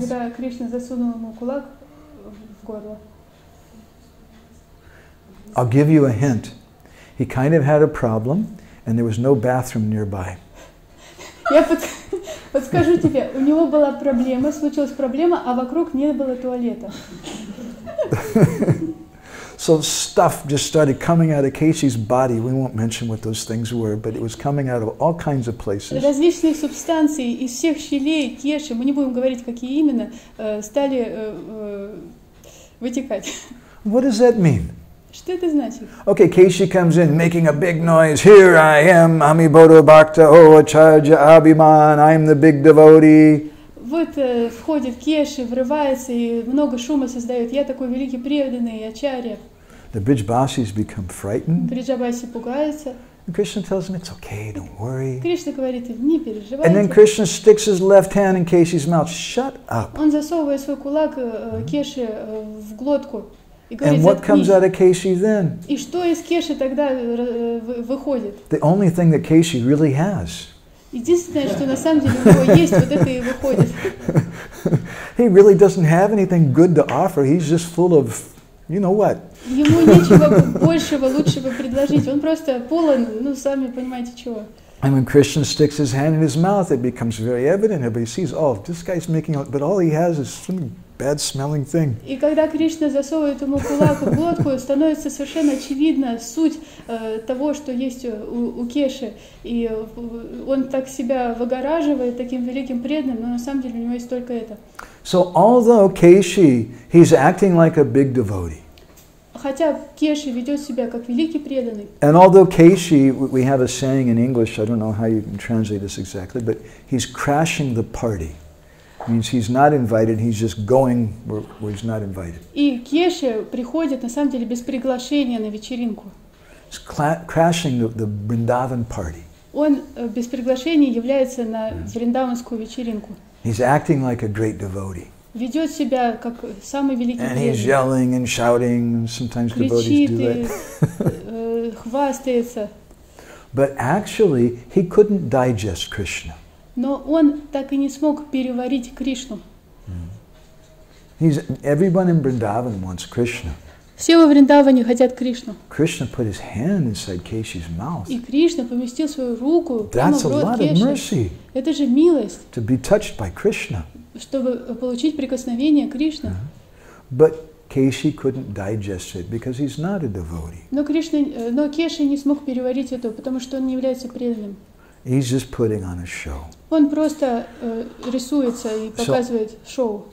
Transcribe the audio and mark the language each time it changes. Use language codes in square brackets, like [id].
[ru] Когда Кришна засунул ему кулак в горло. [en] I'll give you a hint. He kind of had a problem, and there was no bathroom nearby. [ru] Подскажу тебе, у него была проблема, случилась проблема, а вокруг не было туалета. [en] So stuff just started coming out of Keshi's body. We won't mention what those things were, but it was coming out of all kinds of places. [ru] Различные субстанции из всех щелей Кеши, мы не будем говорить, какие именно, стали вытекать. [en] What does that mean? [ru] Что это значит? [en] Okay, Keshi comes in, making a big noise. Here I am, [bn] Ami Bodo Bhakta, O Acharya Abhiman, [en] I'm the big devotee. [ru] Вот входит Кеши, врывается и много шума создает. Я такой великий преданный, Ачарья. [en] The Brijbasis become frightened. [ru] Бриджабаси пугаются. [en] And Krishna tells him, it's okay, don't worry. [ru] Кришна говорит, не переживайте. [en] And then Krishna sticks his left hand in Keshi's mouth. Shut up. [ru] Он засовывает свой кулак Кеши в глотку. Говорит, [en] and what comes out of Keshi then? [ru] И что из Кеши тогда выходит? [en] The only thing that Keshi really has. [ru] Единственное, что на самом деле у него есть, вот это и выходит. [en] He really doesn't have anything good to offer. He's just full of, you know what? [ru] Ему нечего большего, лучшего предложить. Он просто полон, сами понимаете чего. [en] And when Krishna sticks his hand in his mouth, it becomes very evident. Everybody sees, oh, this guy's making out, but all he has is something. Bad smelling thing. [ru] И когда Кришна засовывает ему кулак в глотку, становится совершенно очевидна суть того, что есть у Кеши. И он так себя выгораживает таким великим преданным, но на самом деле у него есть только это. [en] So although Keshi, he's acting like a big devotee. [ru] Хотя Кеши ведет себя как великий преданный. [en] And although Keshi, we have a saying in English, I don't know how you can translate this exactly, but he's crashing the party. Means he's not invited, he's just going where he's not invited. [ru] И Кеши приходит, на самом деле, без приглашения на вечеринку. [en] He's crashing the Vrindavan party. [ru] Он без приглашения является на вриндаванскую вечеринку. [en] He's acting like a great devotee. [ru] Ведет себя как самый великий преданный. [en] And he's yelling and shouting, sometimes devotees do that. [ru] Кричит и хвастается. [en] But actually, he couldn't digest Krishna. [ru] Но он так и не смог переварить Кришну. [en] Everyone in Vrindavan wants Krishna. [ru] Все во Вриндаване хотят Кришну. [en] Krishna put his hand inside Keshi's mouth. [ru] И Кришна поместил свою руку прямо в рот Кеши. [en] That's a lot of mercy. [ru] Это же милость. [en] To be touched by Krishna. [ru] Чтобы получить прикосновение Кришны. [en] But Кеши couldn't digest it because he's not a devotee. [ru] Но Кришна, но Кеши не смог переварить это, потому что он не является преданным. [en] He's just putting on a show. [ru] Он просто рисуется и показывает шоу.